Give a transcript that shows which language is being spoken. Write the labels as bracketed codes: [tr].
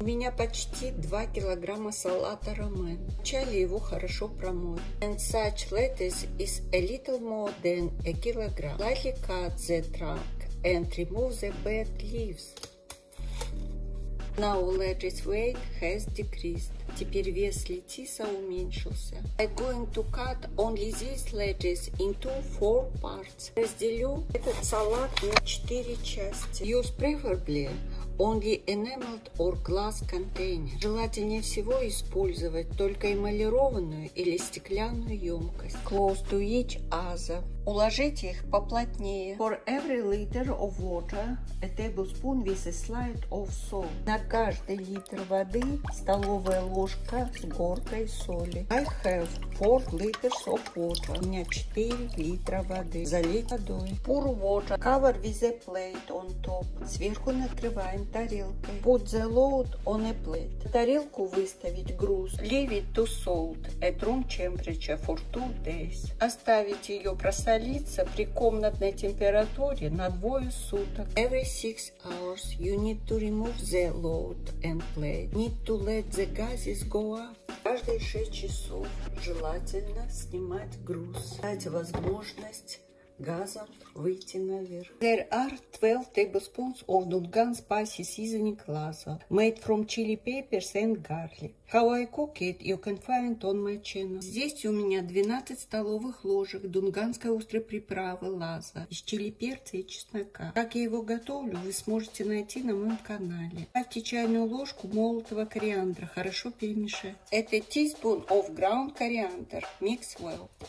[ru] У меня почти 2 килограмма салата ромэн. Вначале его хорошо промою. [en] And such lettuce is a little more than a kilogram. Lightly cut the trunk and remove the bad leaves. Now lettuce weight has decreased. [ru] Теперь вес лettuce уменьшился. [en] I'm going to cut only these lettuce into 4 parts. [ru] Разделю этот салат на 4 части. [en] Use preferably only enameled or glass container. [ru] Желательнее всего использовать только эмалированную или стеклянную емкость. [en] Close to each other. [ru] Уложите их поплотнее. [en] For every liter of water, a tablespoon with a slide of salt. [ru] На каждый литр воды столовая ложка с горкой соли. [en] I have 4 liters of water. [ru] У меня 4 литра воды. Залить водой. [en] Pour water. Cover with a plate on top. [ru] Сверху накрываем тарелкой. [en] Put the load on a plate. [ru] На тарелку выставить груз. [en] Leave it to salt at room temperature for 2 days. [ru] Оставить ее просолиться при комнатной температуре на 2 суток. [en] Every 6 hours you need to remove the load and plate. Need to let the gases go up. [ru] Каждые 6 часов желательно снимать груз, дать возможность газом выйти наверх. [en] There are 12 tablespoons of Dungan spicy seasoning laza, made from chili peppers and garlic. How I cook it, you can find on my channel. [ru] Здесь у меня 12 столовых ложек дунганской острой приправы лаза из чили перца и чеснока. Как я его готовлю, вы сможете найти на моем канале. Ставьте чайную ложку молотого кориандра, хорошо перемешать. Это [en] teaspoon of ground coriander. Mix well.